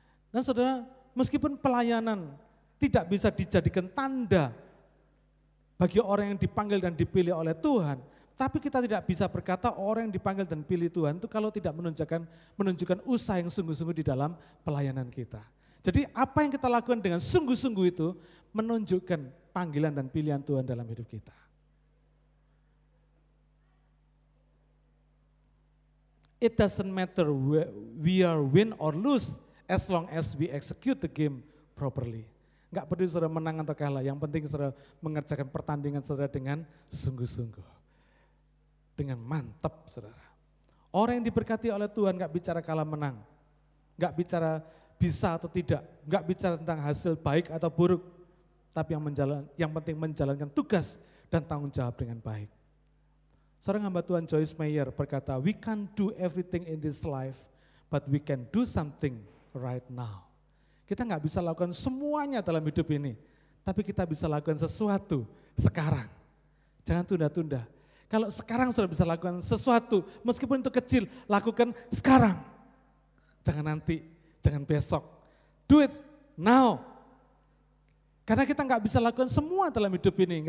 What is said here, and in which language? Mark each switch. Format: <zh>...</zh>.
<id>Dan saudara, meskipun pelayanan tidak bisa dijadikan tanda bagi orang yang dipanggil dan dipilih oleh Tuhan, tapi kita tidak bisa berkata orang yang dipanggil dan pilih Tuhan itu kalau tidak menunjukkan usaha yang sungguh-sungguh di dalam pelayanan kita. Jadi apa yang kita lakukan dengan sungguh-sungguh itu menunjukkan panggilan dan pilihan Tuhan dalam hidup kita.</id> <en>It doesn't matter we are win or lose as long as we execute the game properly.</en> <id>Enggak peduli saudara menang atau kalah, yang penting saudara mengerjakan pertandingan saudara dengan sungguh-sungguh. Dengan mantap, saudara. Orang yang diberkati oleh Tuhan enggak bicara kalah menang. Enggak bicara bisa atau tidak, enggak bicara tentang hasil baik atau buruk, tapi yang penting menjalankan tugas dan tanggung jawab dengan baik. Seorang hamba Tuhan Joyce Meyer berkata,</id> <en>"We can't do everything in this life, but we can do something right now."</en> <id>Kita enggak bisa lakukan semuanya dalam hidup ini, tapi kita bisa lakukan sesuatu sekarang. Jangan tunda-tunda. Kalau sekarang sudah bisa lakukan sesuatu, meskipun itu kecil, lakukan sekarang. Jangan nanti. Jangan besok.</id> <en>Do it now.</en> <id>Karena kita gak bisa lakukan semua dalam hidup ini.</id>